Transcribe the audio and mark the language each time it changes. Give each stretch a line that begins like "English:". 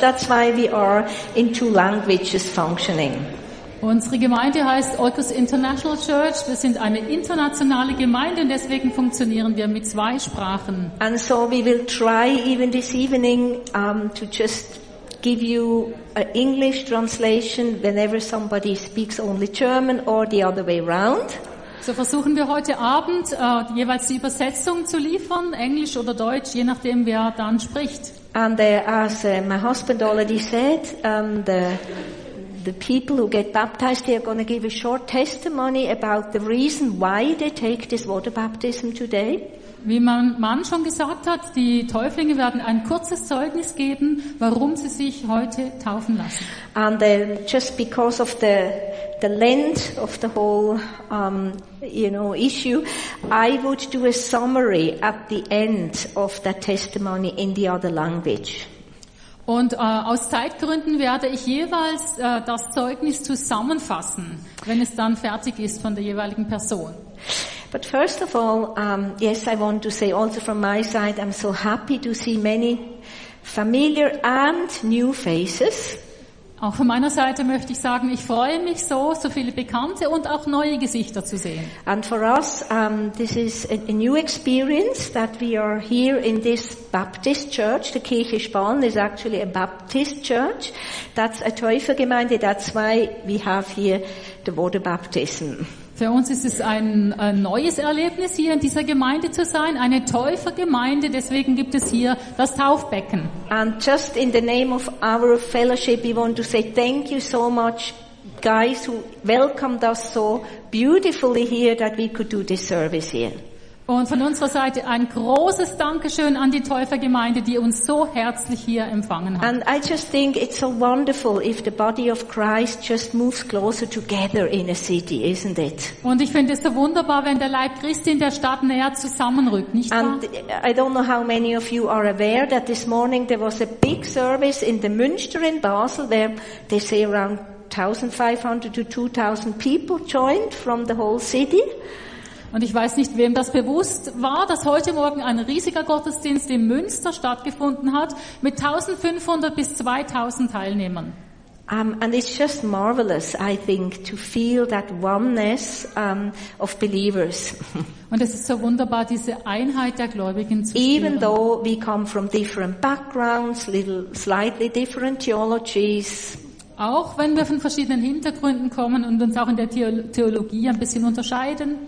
English: That's why we are in two languages functioning.
German: Unsere Gemeinde heißt Oikos International Church. Wir sind eine internationale Gemeinde und deswegen funktionieren wir mit zwei Sprachen.
English: And so we will try even this evening to just give you an English translation whenever somebody speaks only German or the other way around.
German: So versuchen wir heute Abend jeweils die Übersetzung zu liefern, Englisch oder Deutsch, je nachdem wer dann spricht.
English: And as my husband already said, the people who get baptized, they are going to give a short testimony about the reason why they take this water baptism today.
German: Wie mein Mann schon gesagt hat, die Täuflinge werden ein kurzes Zeugnis geben, warum sie sich heute taufen lassen.
English: And just because of the length of the whole issue, I would do a summary at the end of that testimony in the other language.
German: Und aus Zeitgründen werde ich jeweils das Zeugnis zusammenfassen, wenn es dann fertig ist von der jeweiligen Person.
English: But first of all, yes, I want to say also from my side, I'm so happy to see many familiar and new faces.
German: Auch von meiner Seite möchte ich sagen, ich freue mich so, so viele bekannte und auch neue Gesichter zu sehen.
English: And for us, this is a new experience that we are here in this Baptist church. The Kirche Spahn is actually a Baptist church. That's a Täufergemeinde. That's why we have here the water baptism.
German: Für uns ist es ein neues Erlebnis, hier in dieser Gemeinde zu sein, eine Täufergemeinde, deswegen gibt es hier das Taufbecken.
English: And just in the name of our fellowship, we want to say thank you so much, guys, who welcomed us so beautifully here, that we could do this service here.
German: Und von unserer Seite ein großes Dankeschön an die Täufergemeinde, die uns so herzlich hier empfangen hat.
English: And I just think it's so wonderful if the body of Christ just moves closer together in a city, isn't it?
German: Und ich finde es so wunderbar, wenn der Leib Christi in der Stadt näher zusammenrückt, nicht wahr?
English: And I don't know how many of you are aware that this morning there was a big service in the Münster in Basel, where they say around 1,500 to 2,000 people joined from the whole city.
German: Und ich weiß nicht, wem das bewusst war, dass heute Morgen ein riesiger Gottesdienst in Münster stattgefunden hat mit 1500 bis 2000 Teilnehmern.
English: And it's just marvelous, I think, to feel that oneness of believers.
German: Und es ist so wunderbar, diese Einheit der Gläubigen zu spüren.
English: Even though we come from different backgrounds, slightly different theologies.
German: Auch wenn wir von verschiedenen Hintergründen kommen und uns auch in der Theologie ein bisschen unterscheiden.